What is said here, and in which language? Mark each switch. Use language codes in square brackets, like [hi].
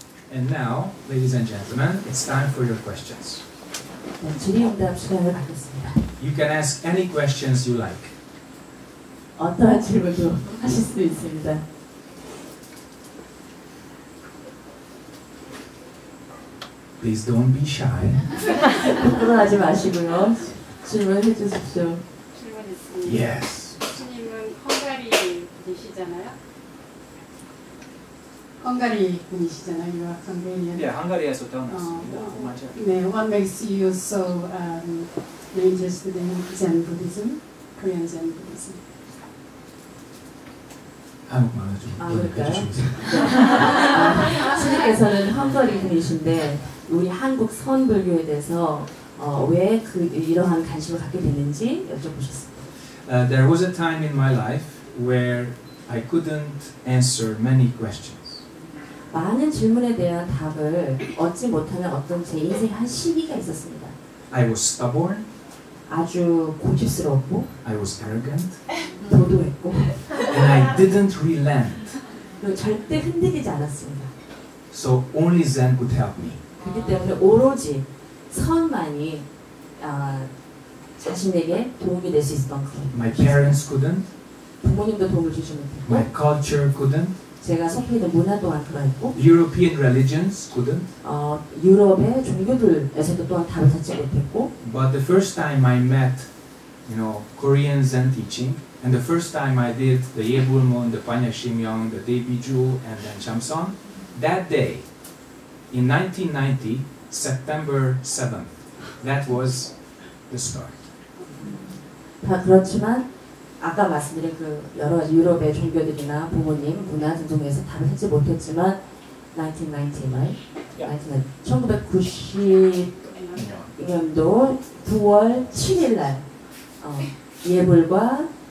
[en] And now, ladies and gentlemen, it's time for your questions. [ko] 네, 질의응답 시간을 갖겠습니다. [en] You can ask any questions you like. [ko] 어떠한 질문도 하실 수 있습니다. [en] Please don't be shy. [ko] 부끄러워하지 마시고요. 질문해 주십시오. 질문 있습니다. [en] Yes. [ko] 스님은 헝가리 분이시잖아요. 헝가리 분이시잖아요, 유학한 분이. 예, 헝가리에서 태어났습니다. [en] 네, what makes you so interested in Zen Buddhism, Korean Zen Buddhism? [ko] 한국말로 좀 해주시겠어요? 스님께서는 헝가리 분이신데 우리 한국 선불교에 대해서 왜 그 이러한 관심을 갖게 됐는지 여쭤보셨습니다. [en] There was a time in my life where I couldn't answer many questions. [ko] 많은 질문에 대한 답을 얻지 못하는 어떤 제 인생 한 시기가 있었습니다. [en] I was stubborn. [ko] 아주 고집스러웠고. [en] I was arrogant. [ko] 도도했고. [en] And I didn't relent. [ko] 절대 흔들리지 않았습니다. [en] So only Zen could help me. [ko] 그렇기 때문에 오로지 선만이 자신에게 도움이 될 수 있었던 것 같아요. [en] My parents couldn't. [ko] 부모님도 도움을 주지 못했고. [en] My culture couldn't. [ko] 제가 속해 있는 문화 또한 그러했고 [en] European religions couldn't [ko] 유럽의 종교들에서도 또한 답을 찾지 못했고 [en] But the first time I met you know Korean Zen teaching and the first time I did the Yebulmon, the Panyashimyong, the Daebiju and then Chamsong that day in 1990 September 7th that was the start [ko] 그렇지만 아까 말씀드린 그 여러 유럽의 종교들이나 부모님, 문화 등등에서 답을 찾지 못했지만 1990년도 9월 7일날 예불과